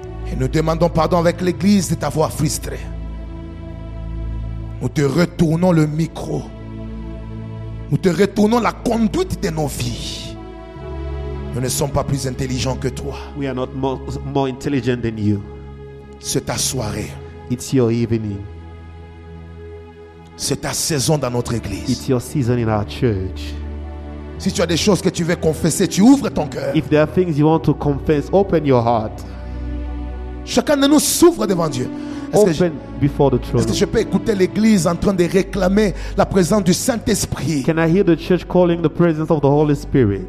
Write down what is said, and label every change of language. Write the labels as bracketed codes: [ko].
[fr] Et nous demandons pardon avec l'église de t'avoir frustré. Nous te retournons le micro. Nous te retournons la conduite de nos vies. Nous ne sommes pas plus intelligents que toi. [en] We are not more intelligent than you. [fr] C'est ta soirée. [en] It's your evening. [fr] C'est ta saison dans notre église. [en] It's your season in our church. [fr] Si tu as des choses que tu veux confesser, tu ouvres ton cœur. [en] If there are things you want to confess, open your heart. [fr] Chacun de nous s'ouvre devant Dieu. [en] Open before the throne. [fr] Est-ce que je peux écouter l'église en train de réclamer la présence du Saint-Esprit? [en] Can I hear the church calling the presence of the Holy Spirit?